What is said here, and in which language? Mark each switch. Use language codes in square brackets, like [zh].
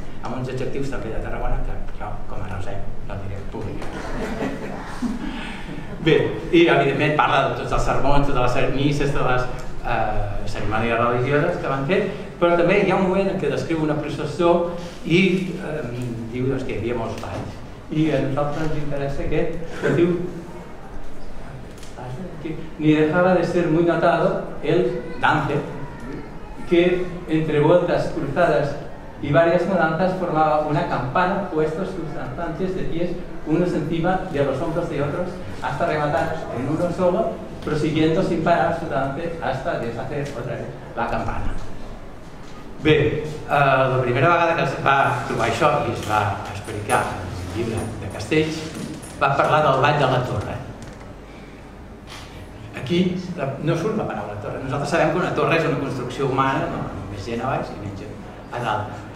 [ca] Amb uns adjectius també de Tarragona que jo, com a Rosell, no diré públic. Bé, i evidentment parla de tots els sermons, de les misses, de les cerimònies religioses que van fer, però també hi ha un moment en què descriu una processó i diu doncs, que hi havia molts balls. I a nosaltres ens interessa aquest, que diu que [es] ni dejaba de ser muy notado el dance que entre vueltas cruzadas y varias mudanzas formaba una campana puesta sus danzantes de pies unos encima de los hombros de otros hasta rematar en uno solo, prosiguiendo sin parar su dance hasta deshacer otra vez la campana. [ca] Bé, la primera vegada que es va trobar això i es va explicar en el llibre de Castells va parlar del ball de la torre. Aquí no surt la paraula torre. Nosaltres sabem que una torre és una construcció humana, no, més gent a baix i menys gent a dalt.